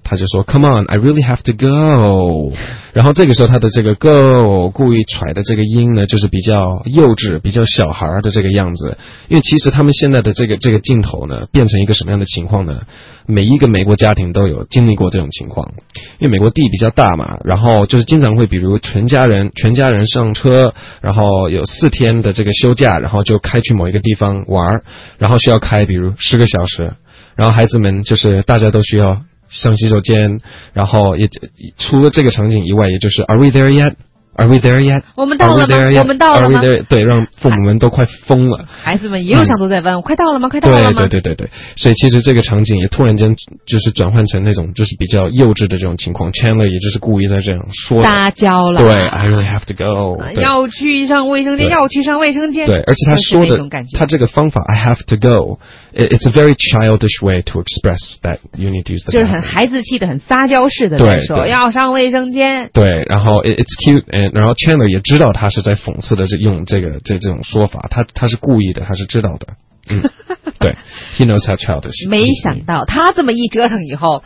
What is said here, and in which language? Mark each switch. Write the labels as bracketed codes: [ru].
[zh] 他就说 [en] Come on, I really have to go. [zh] 然后这个时候他的这个 go 故意揣的这个音呢，就是比较幼稚比较小孩的这个样子，因为其实他们现在的这个镜头呢变成一个什么样的情况呢，每一个美国家庭都有经历过这种情况，因为美国地比较大嘛，然后就是经常会比如全家人上车，然后有四天的这个休假，然后就开去某一个地方玩，然后需要开比如十个小时，然后孩子们就是大家都需要上洗手间，然后也除了这个场景以外，也就是 [en] Are we there yet? Are we there yet? [zh] 我们到了吗？ [en] Are we there yet? [zh] 我们到了吗？ [en] Are we there? [zh] 对，让父母们都快疯了。孩子们一路上都在问、快到了吗？快到了吗？对对对对，所以其实这个场景也突然间就是转换成那种就是比较幼稚的这种情况。 Chandler 也就是故意在这样说撒娇了。对 [en] ，I really have to go。 [zh] 要去上卫生间，要去上卫生间。对，而且他说的、就是、他这个方法 [en] I have to go。 It's a very childish way to express that you need to use the bathroom. [zh] 就是很孩子气的，很撒娇式的在说，要上卫生间。对，然后 [en] it's cute, and [zh] 然后 Chandler 也知道他是在讽刺的，用这种说法，他是故意的，他是知道的。嗯，对 [en] ，He knows how childish. [zh] 没想到他这么一折腾以后，